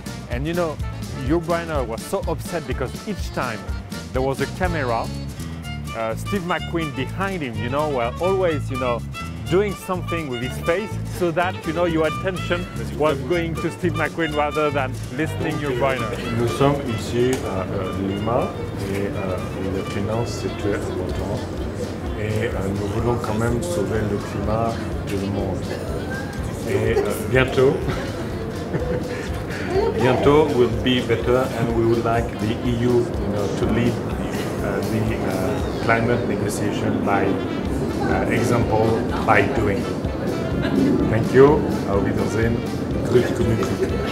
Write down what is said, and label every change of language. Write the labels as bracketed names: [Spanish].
[English] And you know, Jörg Breiner was so upset because each time there was a camera, Steve McQueen behind him, you know, were always, you know, doing something with his face so that, you know, your attention was going to Steve McQueen rather than listening to Jörg Breiner. [French] Nous sommes ici à Lima et la finance c'est très important et nous voulons quand même sauver le climat du monde. Et bientôt, bientôt [English] will be better and we would like the EU, you know, to lead the climate negotiation by example, by doing. Thank you. [German] Au wiedersehen. Grüß Gott.